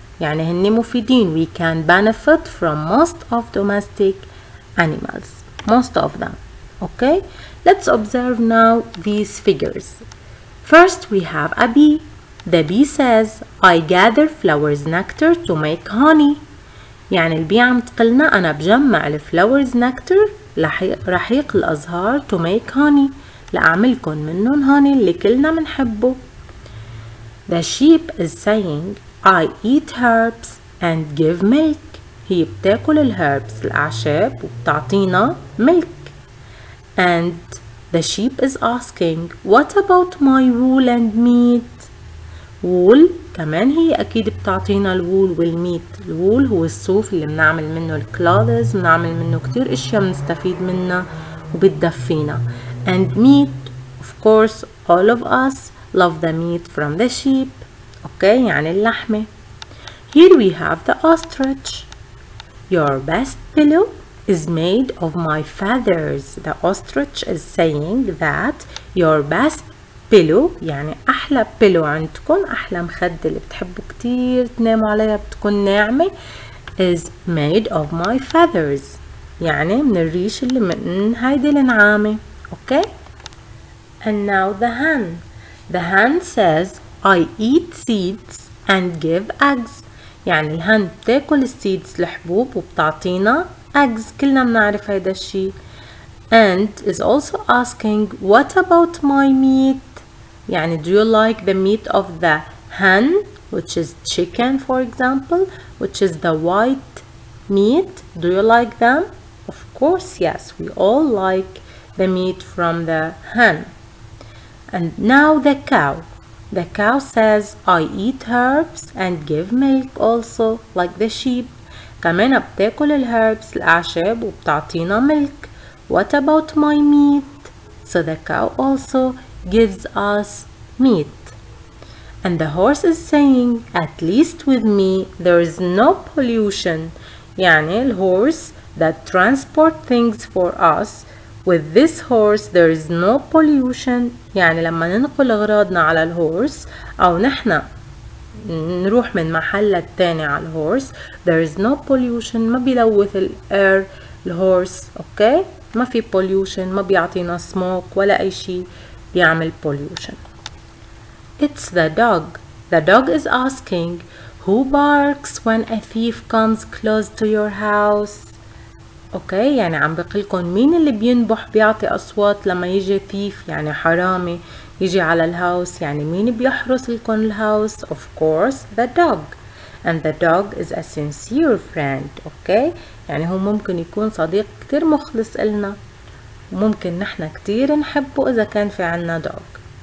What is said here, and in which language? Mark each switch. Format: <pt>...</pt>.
<ar>يعني هن مفيدين.</ar> <en>We can benefit from most of domestic animals. Most of them. Okay? Let's observe now these figures. First, we have a bee. The bee says, I gather flowers nectar to make honey.</en> <ar>يعني البي عم تقلنا أنا بجمع الفلاورز نكتر رحيق الأزهار</ar> <en>to make honey.</en> <ar>لأعملكن منهم هوني اللي كلنا منحبه.</ar> <en>The sheep is saying, I eat herbs and give milk.</en> <ar>هي بتاكل الهربس الأعشاب وبتعطينا milk.</ar> <en>And the sheep is asking, what about my wool and meat?</en> <ar>Wool, كمان هي أكيد بتعطينا الwool والmeat. الwool هو الصوف اللي بنعمل منه الكلاذز، بنعمل منه كتير إشياء بنستفيد منها وبتدفينا.</ar> <en>And meat, of course, all of us love the meat from the sheep. Okay,</en> <ar>يعني اللحمة.</ar> <en>Here we have the ostrich. Your best pillow is made of my feathers. The ostrich is saying that your best pillow,</en> <ar>يعني أحلى pillow عندكم، أحلى مخدة اللي بتحبوا كتير تناموا عليها بتكون ناعمة،</ar> <en>is made of my feathers.</en> <ar>يعني من الريش اللي من هيدي النعامة.</ar> <en>Okay? And now the hen. The hen says, I eat seeds and give eggs.</en> <ar>يعني الهن بتاكل السيدز الحبوب وبتعطينا eggs. كلنا بنعرف هيدا الشيء.</ar> <en>And is also asking, what about my meat? يعني do you like the meat of the hen, which is chicken for example, which is the white meat? Do you like them? Of course, yes. We all like the meat from the hen. And now the cow. The cow says, I eat herbs and give milk also, like the sheep.</en> <ar>كمان بتاكل الهربس الأعشاب وبتعطينا milk.</ar> <en>What about my meat? So the cow also gives us meat. And the horse is saying, at least with me, there is no pollution. يعني الhorse that transport things for us, with this horse, there is no pollution.</en> <ar>يعني لما ننقل أغراضنا على الهورس أو نحن نروح من محل التاني على الهورس,</ar> <en>there is no pollution.</en> <ar>ما بيلوث الأير الهورس. أوكي؟ ما في pollution. ما بيعطينا سموك ولا أي شيء بيعمل pollution.</ar> <en>It's the dog. The dog is asking, who barks when a thief comes close to your house?</en> <ar>اوكي يعني عم بقلكن مين اللي بينبح بيعطي اصوات لما يجي thief يعني حرامي يجي على الهاوس يعني مين بيحرس لكم الهاوس</ar> <en>of course the dog and the dog is a sincere friend</en> <ar>اوكي يعني هو ممكن يكون صديق كتير مخلص إلنا ممكن نحنا كتير نحبه اذا كان في عنا dog</ar>